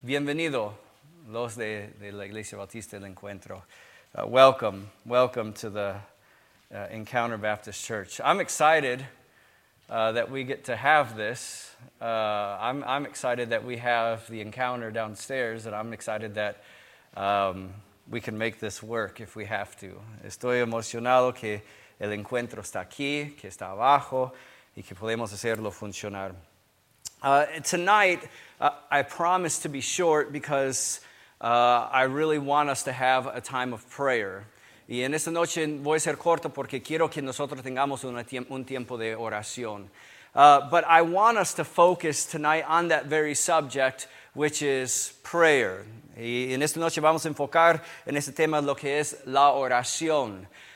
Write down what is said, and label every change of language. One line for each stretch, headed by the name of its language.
Spanish: Bienvenido, los de la Iglesia Bautista del Encuentro.
English: Welcome to the Encounter Baptist Church. I'm excited that we get to have this. I'm excited that we have the Encounter downstairs, and I'm excited that we can make this work if we have to.
Spanish: Estoy emocionado que el Encuentro está aquí, que está abajo, y que podemos hacerlo funcionar.
English: Tonight, I promise to be short because I really want us to have a time of prayer.
Spanish: Y en esta noche voy a ser corto porque quiero que nosotros tengamos un tiempo de oración.
English: But I want us to focus tonight on that very subject, which is prayer.
Spanish: Y en esta noche vamos a enfocar en este tema lo que es la oración.